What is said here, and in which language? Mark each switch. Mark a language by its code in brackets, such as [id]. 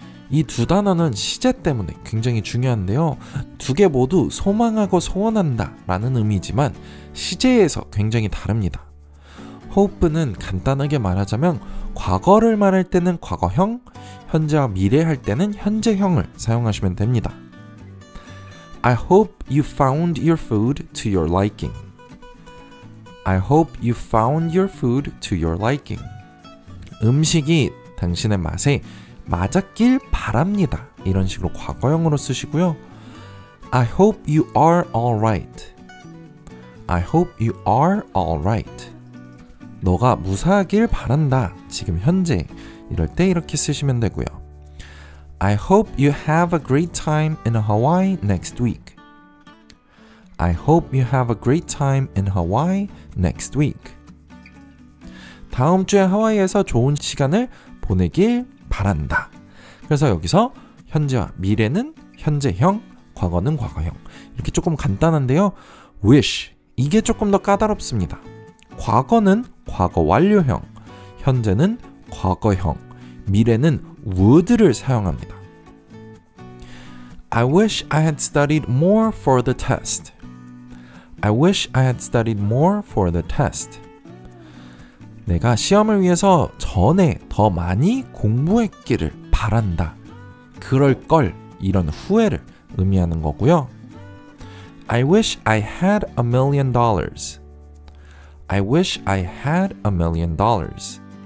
[ko] 이 두 단어는 시제 때문에 굉장히 중요한데요. 두 개 모두 소망하고 소원한다 라는 의미지만 시제에서 굉장히 다릅니다. Hope는 간단하게 말하자면 과거를 말할 때는 과거형, 현재와 미래 할 때는 현재형을 사용하시면 됩니다. [en] I hope you found your food to your liking. I hope you found your food to your liking. [ko] 음식이 당신의 맛에 맞았길 바랍니다. 이런 식으로 과거형으로 쓰시고요. [en] I hope you are all right. I hope you are all right. [ko] 너가 무사하길 바란다. 지금 현재 이럴 때 이렇게 쓰시면 되고요. [en] I hope you have a great time in Hawaii next week. I hope you have a great time in Hawaii next week. [ko] 다음 주에 하와이에서 좋은 시간을 보내길 바란다. 그래서 여기서 현재와 미래는 현재형, 과거는 과거형. 이렇게 조금 간단한데요. [en] wish. [ko] 이게 조금 더 까다롭습니다. 과거는 과거 완료형, 현재는 과거형, 미래는 would를 사용합니다. [en] I wish I had studied more for the test. I wish I had studied more for the test. [ko] 내가 시험을 위해서 전에 더 많이 공부했기를 바란다. 그럴 걸, 이런 후회를 의미하는 거고요. [en] I wish I had $1,000,000. I wish I had $1,000,000.